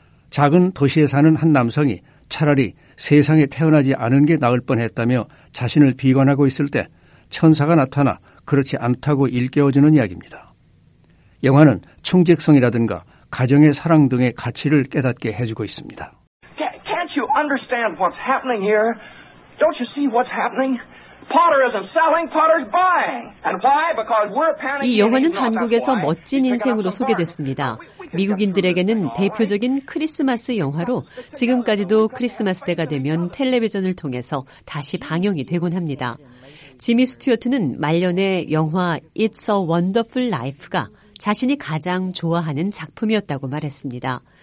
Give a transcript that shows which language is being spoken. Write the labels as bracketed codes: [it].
[ko] 작은 도시에 사는 한 남성이 차라리 세상에 태어나지 않은 게 나을 뻔했다며 자신을 비관하고 있을 때 천사가 나타나 그렇지 않다고 일깨워주는 이야기입니다. 영화는 충직성이라든가 가정의 사랑 등의 가치를 깨닫게 해주고 있습니다. [en] Can't you understand what's happening here? Don't you see what's happening? Potter isn't selling, Potter's buying. And why? Because we're panicking. [ko] 이 영화는 한국에서 멋진 인생으로 소개됐습니다. 미국인들에게는 대표적인 크리스마스 영화로 지금까지도 크리스마스 때가 되면 텔레비전을 통해서 다시 방영이 되곤 합니다. 지미 스튜어트는 말년에 영화 It's a Wonderful Life가 자신이 가장 좋아하는 작품이었다고 말했습니다.